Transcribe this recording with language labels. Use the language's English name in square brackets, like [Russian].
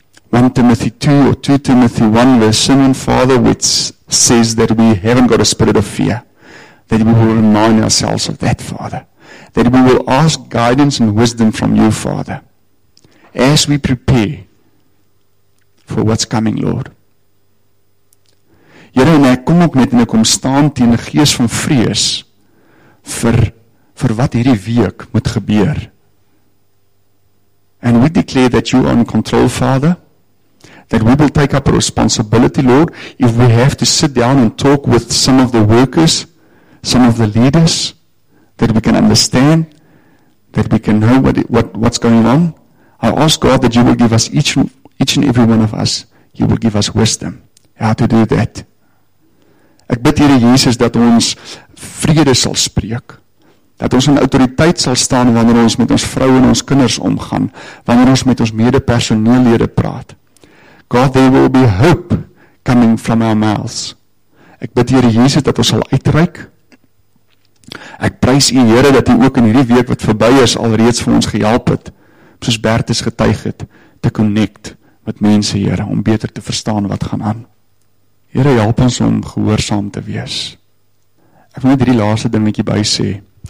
[English] 1 Timothy 2 or 2 Timothy 1, verse 7, Father, which says that we haven't got a spirit of fear, that we will remind ourselves of that, Father. That we will ask guidance and wisdom from you, Father, as we prepare for what's coming, Lord. [Afrikaans] Here, en ek kom ook net en ek kom staan teen 'n gees van vrees vir wat hierdie week moet gebeur. [English] And we declare that you are in control, Father. That we will take up a responsibility, Lord, if we have to sit down and talk with some of the workers, some of the leaders, that we can understand, that we can know what's going on. I ask God that you will give us each and every one of us, you will give us wisdom how to do that. [Afrikaans] Ek bid Here Jesus dat ons vrede sal spreek. Dat ons in autoriteit sal staan wanneer ons met ons vrou en ons kinders omgaan. Wanneer ons met ons medepersoneellede praat. [English] God, there will be hope coming from our mouths. [Afrikaans] Ek bid Here Jesus dat ons sal uitreik. Ek prys U Here dat U ook in hierdie week wat verby is alreeds vir ons gehelp het. Soos Bertus getuig het, te connect met mense, Here, om beter te verstaan wat gaan aan. Here, help ons om gehoorsaam te wees. Ek wil net hierdie laaste dingetjie by sê.